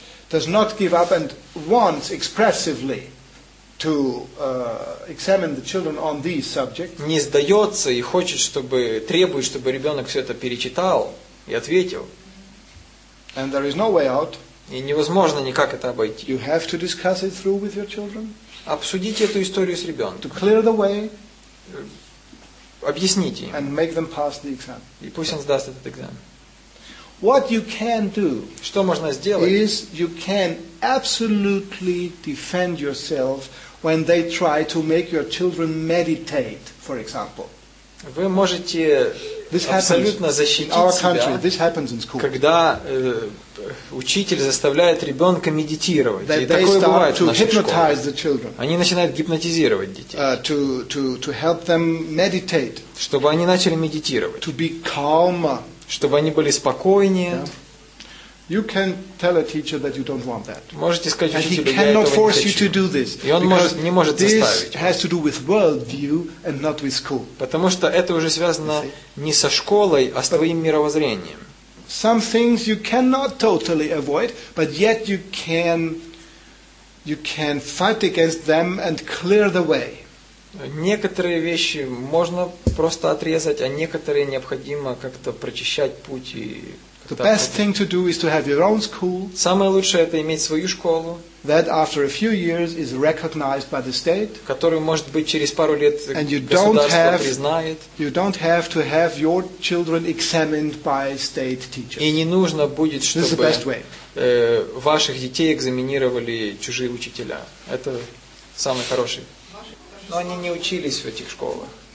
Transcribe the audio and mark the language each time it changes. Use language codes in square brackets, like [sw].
[en] does not give up and wants expressively to examine the children on these subjects. [ru] Не сдается и хочет, чтобы требует, чтобы ребенок все это перечитал и ответил. [en] And there is no way out. [ru] И невозможно никак это обойти. [en] You have to discuss it through with your children. [ru] Обсудите эту историю с ребенком. [en] To clear the way. [ru] Объясните им. [en] And make them pass the exam. [ru] И пусть он сдаст этот экзамен. [en] What you can do, [ru] что можно сделать, [en] is you can absolutely defend yourself when they try to make your children meditate, for example. [ru] Вы можете абсолютно защитить себя, когда учитель заставляет ребенка медитировать. И такое бывает в наших школах. [en] They start to hypnotize the children. [ru] Они начинают гипнотизировать детей. [en] To help them meditate. [ru] Чтобы они начали медитировать. [en] To be calmer. [ru] Чтобы они были спокойнее. [en] Yeah. You can tell a teacher that you don't want that. [ru] Можете сказать учителю, что я этого не хочу. [en] And he cannot force you to do this. [ru] И он не может заставить. [en] This has to do with world view and not with school. [ru] Потому что это уже связано не со школой, а с твоим мировоззрением. [en] Some things you cannot totally avoid, but yet you can fight against them and clear the way. [ru] Некоторые вещи можно просто отрезать, а некоторые необходимо как-то прочищать путь и [en] The best thing to do is to have your own school. [ru] Самое лучшее это иметь свою школу. [en] That after a few years is recognized by the state. [ru] Которую может быть через пару лет государство признает. [en] You don't have to have your children examined by state teachers. [ru] И не нужно будет, чтобы [en] This is the best way. [ru] Ваших детей экзаминировали чужие учителя. Это самый хороший. Но они не учились в этих школах.